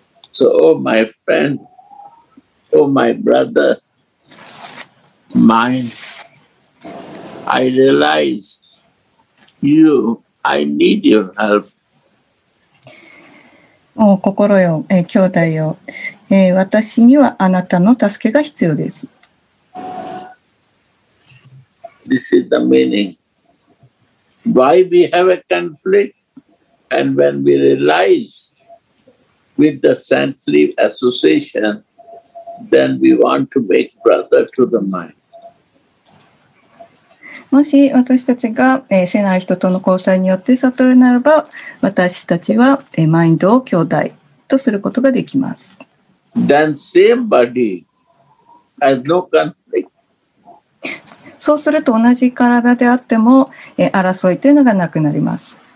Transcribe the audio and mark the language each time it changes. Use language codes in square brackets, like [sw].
[en] So, my friend, oh my brother, mine, I realize you, I need your help. [ja] お心よ、兄弟よ。私にはあなたの助けが必要です。 [en] This is the meaning. Why we have a conflict? And when we realize with the saintly association, then we want to make brother to the mind. [ja] もし私たちが、聖なる人との交際によって悟るならば、私たちは、マインドを兄弟とすることができます。 [en] Then same body has no conflict. [ja] そうすると同じ体であっても争いというのがなくなります。